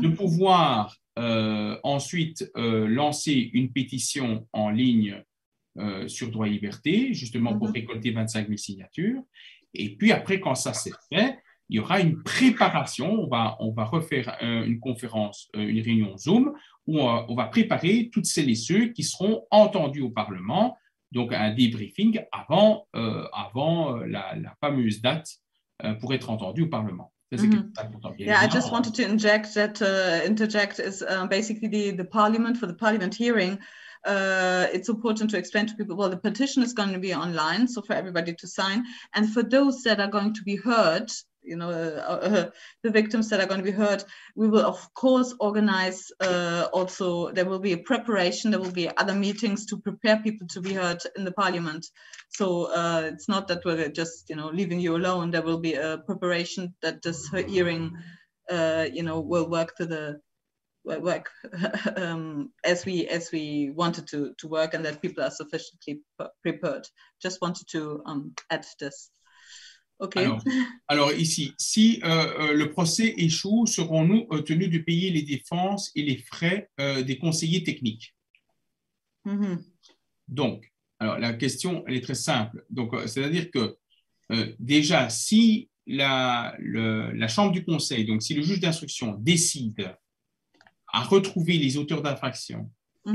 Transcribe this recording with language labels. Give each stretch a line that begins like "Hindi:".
French: de pouvoir ensuite lancer une pétition en ligne sur droit et liberté, justement mm-hmm. pour récolter 25 000 signatures, et puis après, quand ça s'est fait, il y aura une préparation, on va refaire une conférence, une réunion Zoom, où on va préparer toutes celles et ceux qui seront entendus au Parlement, donc un débriefing avant la fameuse date pour être entendu au Parlement. Mm-hmm.
English: Yeah, I just wanted to interject is basically the Parliament, for the Parliament hearing, it's important to explain to people, well, the petition is going to be online, so for everybody to sign, and for those that are going to be heard, you know, the victims that are going to be heard, we will of course organize also, there will be a preparation, there will be other meetings to prepare people to be heard in the Parliament. So it's not that we're just, you know, leaving you alone, there will be a preparation that this hearing, will work to the work as we wanted to work, and that people are sufficiently prepared. Just wanted to add this. Okay.
French: Alors ici, si le procès échoue, serons-nous tenus de payer les défenses et les frais des conseillers techniques? Mm-hmm. Donc, alors la question, elle est très simple. Donc, c'est-à-dire que déjà, si la chambre du conseil, donc si le juge d'instruction décide à retrouver les auteurs d'infraction mm-hmm.